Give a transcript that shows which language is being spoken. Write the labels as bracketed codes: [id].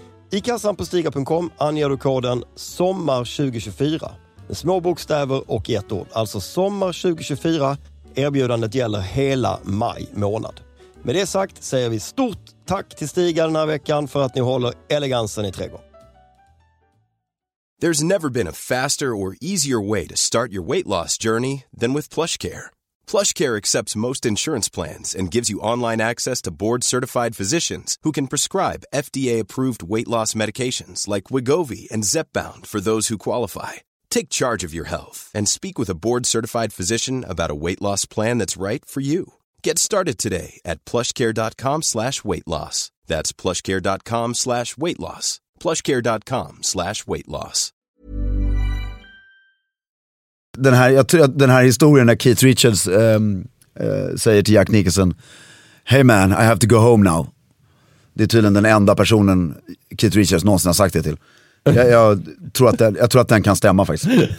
[sv] I kassan på stiga.com anger du koden SOMMAR2024. Med små bokstäver och ett ord. Alltså SOMMAR2024. Erbjudandet gäller hela maj månad. Med det sagt säger vi stort tack till Stiga den här veckan för att ni håller elegansen i trädgården. [en] There's never been a faster or easier way to start your weight loss journey than with PlushCare. PlushCare accepts most insurance plans and gives you online access to board-certified physicians who can prescribe FDA-approved weight loss medications like Wegovy and Zepbound for those who qualify. Take charge of your health and speak with a board-certified physician about a weight loss plan that's right for you. Get started today at plushcare.com/weightloss. That's plushcare.com/weightloss. plushcare.com/weightloss. [sv] Den här, jag tror att den här historien när Keith Richards säger till Jack Nicholson: [en] "Hey man, I have to go home now." [sv] Det är tydligen den enda personen Keith Richards någonsin har sagt det till. Jag tror att den kan stämma faktiskt.